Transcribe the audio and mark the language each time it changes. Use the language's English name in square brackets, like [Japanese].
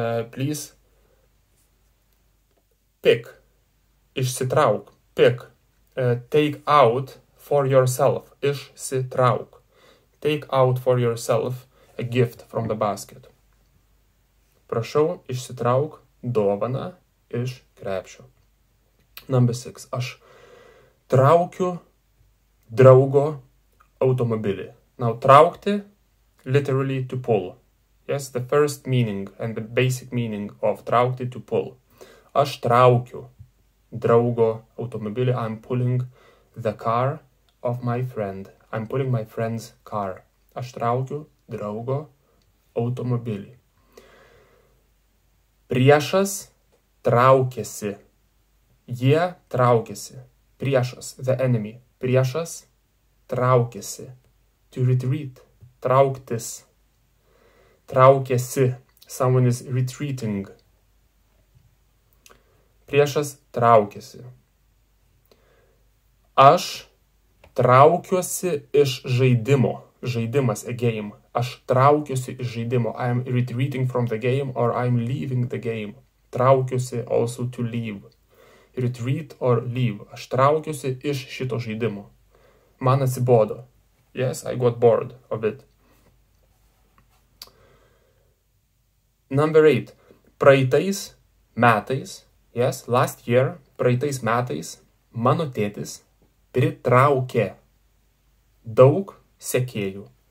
[English] Please pick, [Lithuanian] išsitrauk, [English] pick, take out for yourself, išsitrauk, take out for yourself a gift from the basket. [Lithuanian] Prašau, išsitrauk dovaną iš krepšio. [English] Number six, [Lithuanian] aš traukiu draugo automobilį. [English] Now, traukti, literally to pull. Yes, the first meaning and the basic meaning of traukti, to pull. [Lithuanian] Aš traukiu draugo automobilį. [English] I'm pulling the car of my friend. I'm pulling my friend's car. [Lithuanian] Aš traukiu draugo automobilį. Priešas traukiasi. Jie traukiasi. Priešas, [English] the enemy. [Lithuanian] Priešas traukiasi. [English] To retreat. [Lithuanian] Trauktis. Traukiasi. [English] Someone is retreating. [Lithuanian] Priešas traukiasi. Aš traukiuosi iš žaidimo. Žaidimas, [English] a game. [Lithuanian] Aš traukiuosi iš žaidimo. [English] I am retreating from the game or I am leaving the game. Traukiuosi, also to leave. Retreat or leave. [Lithuanian] Aš traukiuosi iš šito žaidimo. Man atsibodo. [English] Yes, I got bored of it. [Lithuanian] Number 8. Praeitais metais, [English] yes, last year, [Lithuanian] praeitais metais, mano tėtis pritraukė daug sekėjų.